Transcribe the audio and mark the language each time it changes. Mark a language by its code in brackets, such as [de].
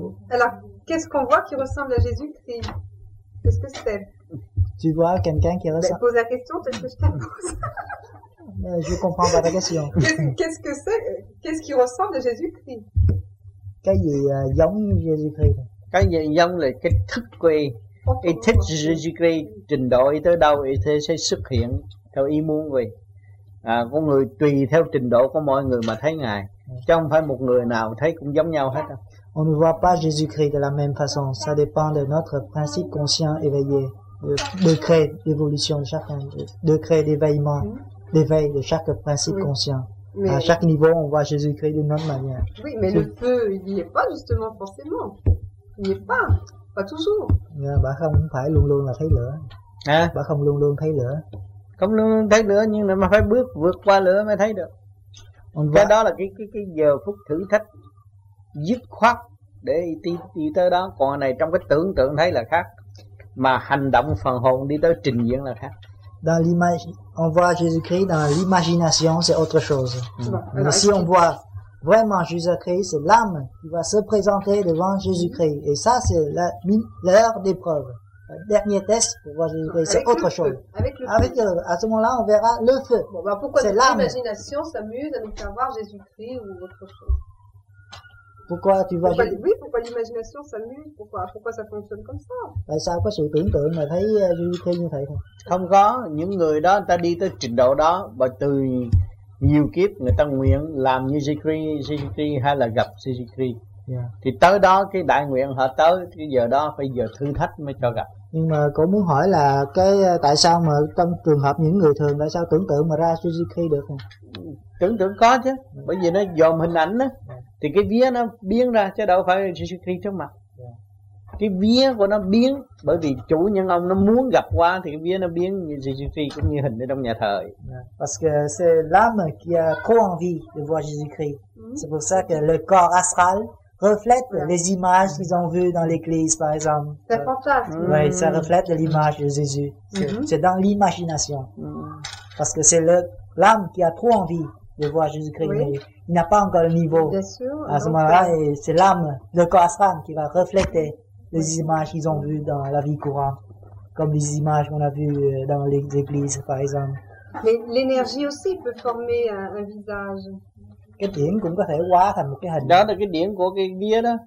[fr] Alors, qu'est-ce qu'on voit qui ressemble à Jésus-Christ? Qu'est-ce que c'est? Tu vois quelqu'un qui ressemble. Pose la question, peut-être que je te pose. Je comprends pas la question. Qu'est-ce qui ressemble à Jésus-Christ? [vi] Cái gì giống Jésus-Christ? Cái gì giống là cái thức quy. Ý thích Jésus-Christ trình độ ý tới đâu ý thế sẽ xuất hiện theo ý muốn quy. Có người tùy theo trình độ của mọi người mà thấy ngài, chứ không phải một người nào thấy cũng giống nhau hết. [fr] On ne voit pas Jésus-Christ de la même façon, ça dépend de notre principe conscient éveillé, le degré d'évolution de chacun, le degré d'éveillement. L'éveil de chaque principe conscient. Mais à chaque niveau, on voit Jésus-Christ d'une autre manière. Oui, mais le feu, il n'y est pas justement forcément. Il n'y est pas. Pas toujours. [vi] Bà không phải luôn luôn là thấy lửa. À? Bà không luôn luôn thấy lửa. Không luôn luôn thấy lửa, nhưng mà phải bước vượt qua lửa mới thấy được. Cái đó là cái giờ phút thử thách dứt khoát để đi tới đó. Còn này trong cái tưởng tượng thấy là khác. Mà hành động phần hồn đi tới trình diễn là khác. [fr] Dans l'image, on voit Jésus-Christ dans l'imagination, c'est autre chose. Mais si on voit vraiment Jésus-Christ, c'est l'âme qui va se présenter devant Jésus-Christ. Et ça, c'est l'heure d'épreuve. Le dernier test pour voir Jésus-Christ, c'est autre chose. Avec le feu. À ce moment-là, on verra le feu. Bon, bah pourquoi c'est l'âme. L'imagination s'amuse à nous faire voir Jésus-Christ ou autre chose? Pourquoi tu vois Jésus-Christ? Oui, pourquoi l'imagination s'amuse? Pourquoi ça fonctionne comme ça? [vi] Tại sao có sự tưởng tượng mà thấy Jésus-Christ như vậy? Không có, những người đó người ta đi tới trình độ đó và từ nhiều kiếp người ta nguyện làm như Jesus Christ hay là gặp Jesus Christ. Thì tới đó cái đại nguyện họ tới cái giờ đó phải giờ thử thách mới cho gặp. Nhưng mà cô muốn hỏi là cái tại sao mà trong trường hợp những người thường tại sao tưởng tượng mà ra Jesus Christ được không? Tưởng tượng có chứ, bởi vì nó dòm hình ảnh đó, thì cái vía nó biến ra chứ đâu phải Jesus Christ trước mặt. Cái vía của nó biến bởi vì chủ nhân ông nó muốn gặp qua thì cái vía nó biến như Jésus-Christ cũng như hình ở trong nhà thờ. [fr] Parce que c'est l'âme qui a trop envie de voir Jésus-Christ. C'est pour ça que le corps astral reflète les images qu'ils ont vues dans l'église par exemple. C'est fantastique. Oui, ça reflète l'image de Jésus. C'est dans l'imagination. Parce que c'est l'âme qui a trop envie de voir Jésus-Christ. Oui. Il n'a pas encore le niveau. Bien sûr. À ce moment-là, et c'est l'âme, le corps astral qui va refléter les images qu'ils ont vues dans la vie courante, comme les images qu'on a vues dans les églises, par exemple. Mais l'énergie aussi peut former un visage. [vi] Cái điện cũng có thể hóa thành một cái hình. Đó là cái điện của cái vía đó.